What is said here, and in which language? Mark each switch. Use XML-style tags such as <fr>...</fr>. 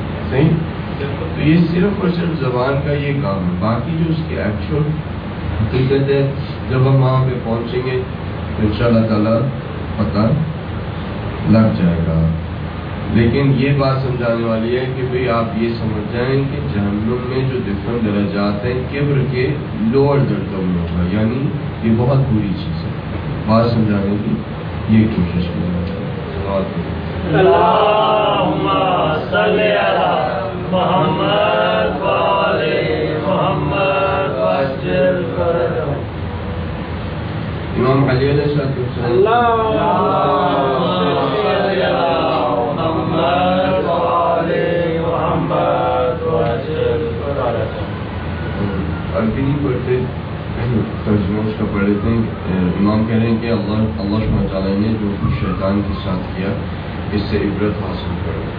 <ur>صحیح، تو یہ صرف اور صرف زبان کا یہ کام ہے، باقی جو اس کی ایکچوئل حقیقت ہے جب ہم وہاں پہ پہنچیں گے ان شاء اللہ تعالیٰ پتہ لگ جائے گا، لیکن یہ بات سمجھانے والی ہے کہ بھئی آپ یہ سمجھ جائیں کہ جہنم میں جو ڈفرنٹ درجات ہیں کبر کے لوور درجوں میں ہوگا, یعنی یہ بہت بری چیز ہے. بات سمجھانے کی یہ کوشش کر رہا ہوں.</ur> <ar>اللهم صل على محمد وآل محمد واجعل فرجهم.</ar> <ur>امام علي علیہ الصلوۃ والسلام.</ur> <ar>اللهم صل على محمد وآل محمد واجعل فرجهم.</ar> <ur>اب بھی پڑھتے ترجمہ اس کا پڑھ لیتے ہیں. امام کہہ رہے ہیں کہ اللہ سبحانہ وتعالیٰ نے جو کچھ شیطان کے ساتھ کیا اس سے عبرت حاصل کر.</ur>